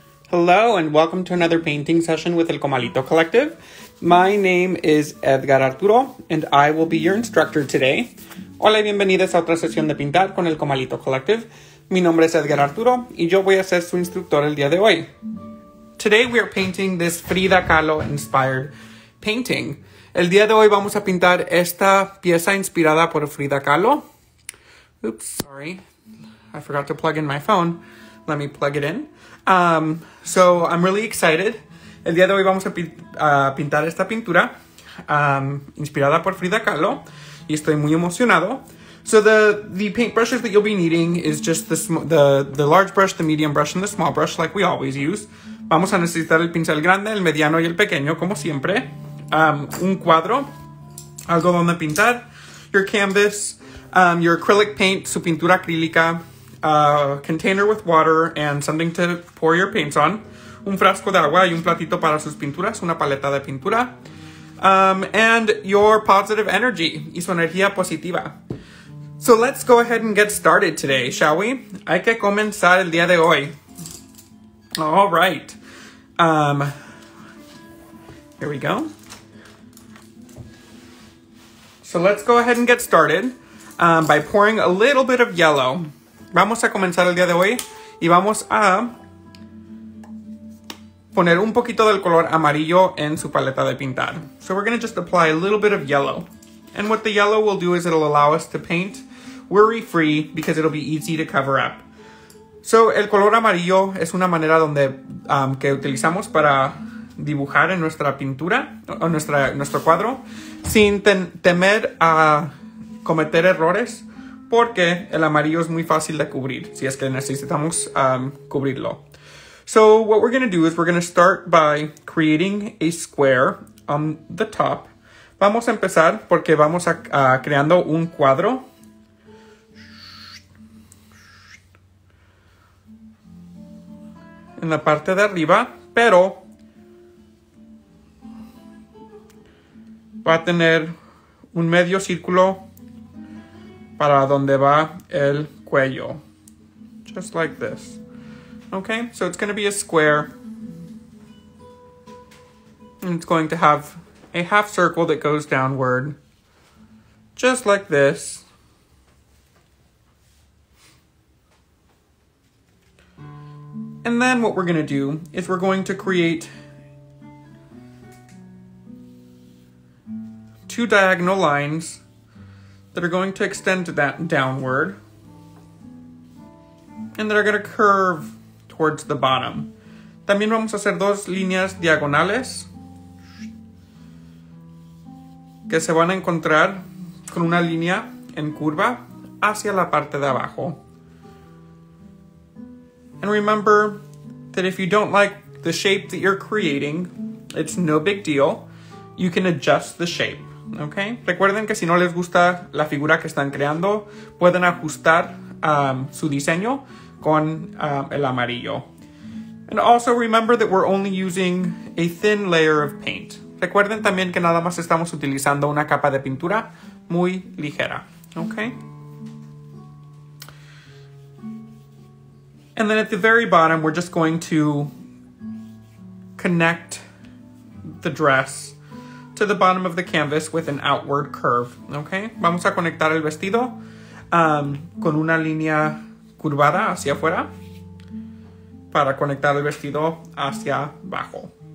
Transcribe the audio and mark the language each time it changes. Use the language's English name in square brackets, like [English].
[English] Hello and welcome to another painting session with El Comalito Collective. My name is Edgar Arturo and I will be your instructor today. [Spanish] Hola y bienvenidos a otra sesión de pintar con El Comalito Collective. Mi nombre es Edgar Arturo y yo voy a ser su instructor el día de hoy. [English] Today we are painting this Frida Kahlo inspired painting. [Spanish] El día de hoy vamos a pintar esta pieza inspirada por Frida Kahlo. [English] Oops, sorry. I forgot to plug in my phone. Let me plug it in. So I'm really excited. [Spanish] El día de hoy vamos a pintar esta pintura inspirada por Frida Kahlo. Y estoy muy emocionado. [English] So the paintbrushes that you'll be needing is just the large brush, the medium brush, and the small brush like we always use. [Spanish] Vamos a necesitar el pincel grande, el mediano y el pequeño, como siempre. Un cuadro, algo donde pintar, [English] your canvas, your acrylic paint, [Spanish] su pintura acrílica, [English] a container with water and something to pour your paints on, [Spanish] un frasco de agua y un platito para sus pinturas, una paleta de pintura, [English] and your positive energy, [Spanish] y su energía positiva. [English] So let's go ahead and get started today, shall we? [Spanish] Hay que comenzar el día de hoy. [English] All right. Here we go. So let's go ahead and get started by pouring a little bit of yellow. [Spanish] Vamos a comenzar el día de hoy y vamos a poner un poquito del color amarillo en su paleta de pintar. [English] So we're going to just apply a little bit of yellow. And what the yellow will do is it'll allow us to paint worry-free because it'll be easy to cover up. [Spanish] So el color amarillo es una manera donde que utilizamos para dibujar en nuestra pintura o nuestro cuadro sin temer a cometer errores porque el amarillo es muy fácil de cubrir si es que necesitamos cubrirlo. [English] So what we're going to do is we're going to start by creating a square on the top. [Spanish] Vamos a empezar porque vamos a creando un cuadro. En la parte de arriba, pero va a tener un medio círculo para donde va el cuello. [English] Just like this. Okay, so it's going to be a square. And it's going to have a half circle that goes downward. Just like this. And then what we're going to do is we're going to create two diagonal lines that are going to extend to that downward. And that are going to curve towards the bottom. [Spanish] También vamos a hacer dos líneas diagonales que se van a encontrar con una línea en curva hacia la parte de abajo. [English] And remember that if you don't like the shape that you're creating, it's no big deal. You can adjust the shape, okay? [Spanish] Recuerden que si no les gusta la figura que están creando, pueden ajustar su diseño con el amarillo. [English] And also remember that we're only using a thin layer of paint. [Spanish] Recuerden también que nada más estamos utilizando una capa de pintura muy ligera, okay? [English] And then at the very bottom, we're just going to connect the dress to the bottom of the canvas with an outward curve, okay? [Spanish] Vamos a conectar el vestido con una línea curvada hacia afuera para conectar el vestido hacia abajo.